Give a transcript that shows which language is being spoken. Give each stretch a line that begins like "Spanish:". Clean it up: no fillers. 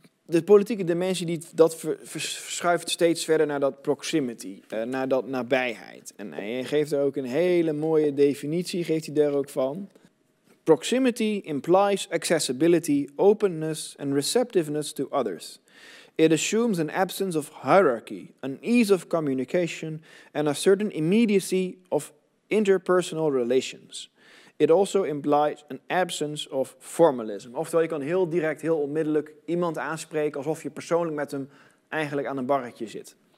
Dutch: De politieke dimensie verschuift steeds verder naar dat proximity, naar dat nabijheid. En hij geeft er ook een hele mooie definitie, geeft hij daar ook van.
English: Proximity implies accessibility, openness and receptiveness to others. It assumes an absence of hierarchy, an ease of communication and a certain immediacy of interpersonal relations. It also implies an absence of formalism.
Dutch: Oftewel, je kan heel direct, heel onmiddellijk iemand aanspreken alsof je persoonlijk met hem eigenlijk aan een barretje zit.